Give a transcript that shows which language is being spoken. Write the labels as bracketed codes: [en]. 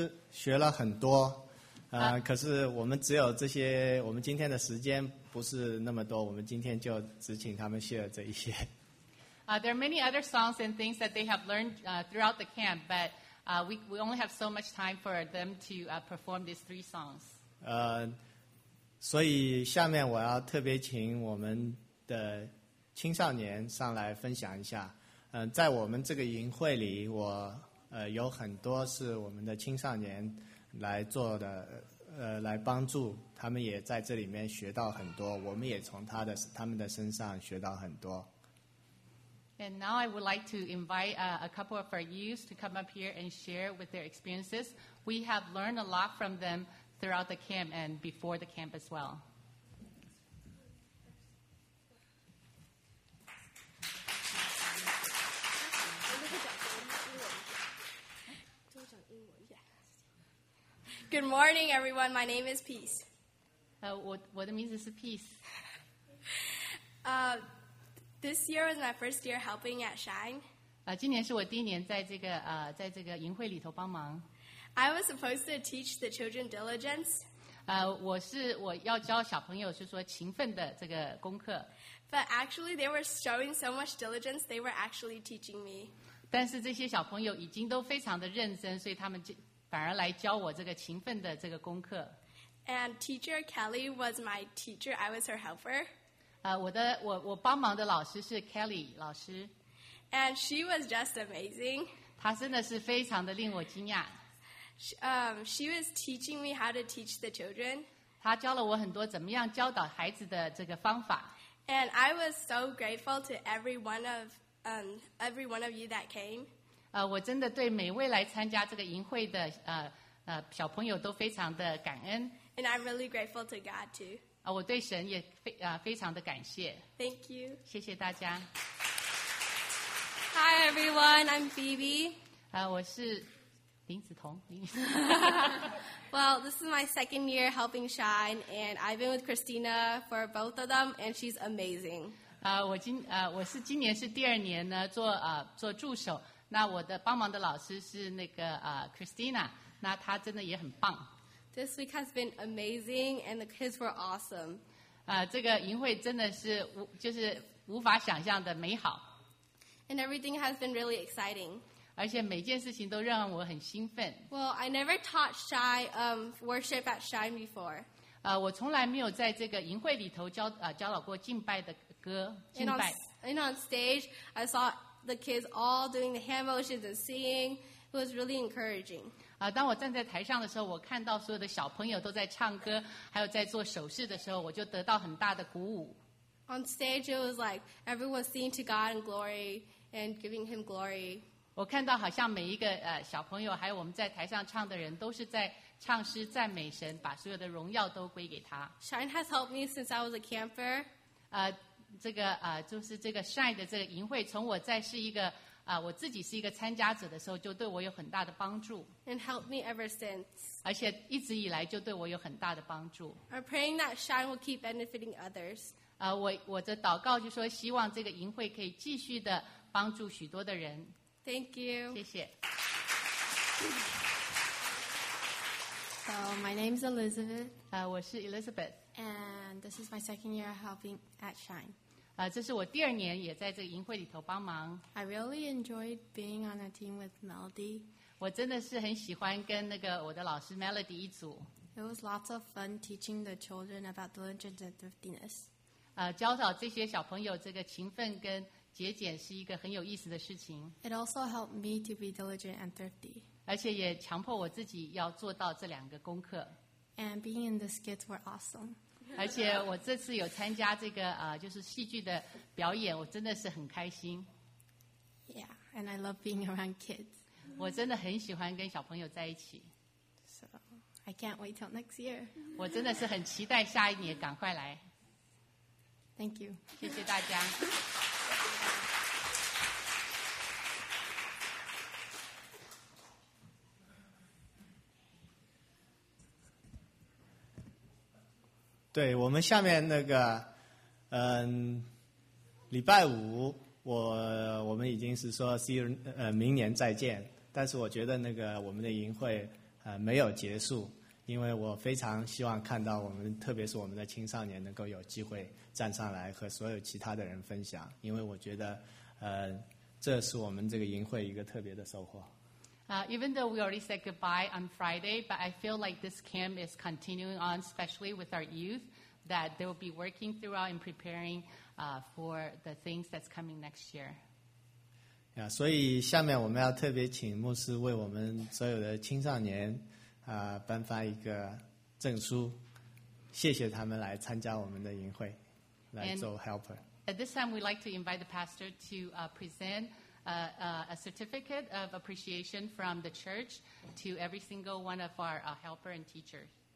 [zh] 学了很多，可是我们只有这些，我们今天的时间不是那么多，我们今天就只请他们学这一些。 [en] There are many other songs and things that they have learned throughout the camp, but we only have so much time for them to perform these three songs. [zh] 所以下面我要特别请我们的青少年上来分享一下。在我们这个营会里，我。有很多是我们的青少年来做的，来帮助他们，也在这里面学到很多，我们也从他们的身上学到很多。 [en] And now I would like to invite a couple of our youths to come up here and share with their experiences. We have learned a lot from them throughout the camp and before the camp as well. Good morning, everyone. My name is Peace. What it means is Peace. This year was my first year helping at Shine. [zh] 今年是我第一年在这个营会里头帮忙。 [en] I was supposed to teach the children diligence. [zh] 我要教小朋友，就是说勤奋的这个功课。 [en] But actually, they were showing so much diligence, they were actually teaching me. [zh] 但是这些小朋友已经都非常的认真，所以他们就。反而来教我这个勤奋的这个功课。 [en] And teacher Kelly was my teacher. I was her helper. [zh] 我帮忙的老师是 Kelly 老师。 [en] And she was just amazing. [zh] 她真的是非常的令我惊讶。 [en] She was teaching me how to teach the children. [zh] 她教了我很多怎么样教导孩子的这个方法。 [en] And I was so grateful to every one of you that came. [zh] 我真的对每位来参加这个营会的小朋友都非常的感恩。 [en] And I'm really grateful to God too. [zh] 我对神也非常的感谢。 [en] Thank you. [zh] 谢谢大家。 [en] Hi everyone, I'm Phoebe. [zh] 我是林子彤。 [en] Well, this is my second year helping Shine, and I've been with Christina for both of them, and she's amazing. [zh] 我是今年是第二年呢，做助手。那我的帮忙的老师是那个Christina， 那她真的也很棒。 [en] This week has been amazing, and the kids were awesome. [zh] 这个营会真的是无法想象的美好。 [en] And everything has been really exciting. [zh] 而且每件事情都让我很兴奋。 [en] Well, I never taught shy worship at Shine before. [zh] 我从来没有在这个营会里头教导过敬拜的歌敬拜。 [en] And on stage, I saw the kids all doing the hand motions and singing. It was really encouraging. [zh] 当我站在台上的时候，我看到所有的小朋友都在唱歌，还有在做手势的时候，我就得到很大的鼓舞。 [en] On stage, it was like everyone singing to God in glory and giving Him glory. [zh] 我看到好像每一个小朋友，还有我们在台上唱的人，都是在唱诗赞美神，把所有的荣耀都归给他。 [en] Shine has helped me since I was a camper. [zh] 这个就是这个 Shine 的这个营会，从我在是一个我自己是一个参加者的时候，就对我有很大的帮助。 [en] And helped me ever since. [zh] 而且一直以来就对我有很大的帮助。 [en] I'm praying that Shine will keep benefiting others. [zh] 我的祷告就说，希望这个营会可以继续的帮助许多的人。 [en] Thank you. [zh] 谢谢。 [en] So my name is Elizabeth. [zh] 我是 Elizabeth. [en] And this is my second year helping at Shine. [zh] 这是我第二年也在这个营会里头帮忙。 [en] I really enjoyed being on a team with Melody. [zh] 我真的是很喜欢跟那个我的老师 Melody 一组。 [en] It was lots of fun teaching the children about diligence and thriftiness. [zh] 教导这些小朋友这个勤奋跟节俭是一个很有意思的事情。 [en] It also helped me to be diligent and thrifty. [zh] 而且也强迫我自己要做到这两个功课。 [en] And being in the skits were awesome. [zh] 而且我这次有参加这个就是戏剧的表演，我真的是很开心。 [en] Yeah, and I love being around kids. [zh] 我真的很喜欢跟小朋友在一起。 [en] So I can't wait till next year. [zh] 我真的是很期待下一年赶快来。 [en] Thank you. [zh] 谢谢大家。对，我们下面那个礼拜五我们已经是说 [en] see you, [zh] 明年再见，但是我觉得那个我们的营会没有结束，因为我非常希望看到我们特别是我们的青少年能够有机会站上来和所有其他的人分享，因为我觉得这是我们这个营会一个特别的收获。 [en] Even though we already said goodbye on Friday, but I feel like this camp is continuing on, especially with our youth, that they will be working throughout and preparing for the things that's coming next year. [zh] Yeah, 所以下面我们要特别请牧师为我们所有的青少年颁发一个证书，谢谢他们来参加我们的营会，来做 helper. [en] At this time, we'd like to invite the pastor to present a certificate of appreciation from the church to every single one of our helper and teacher.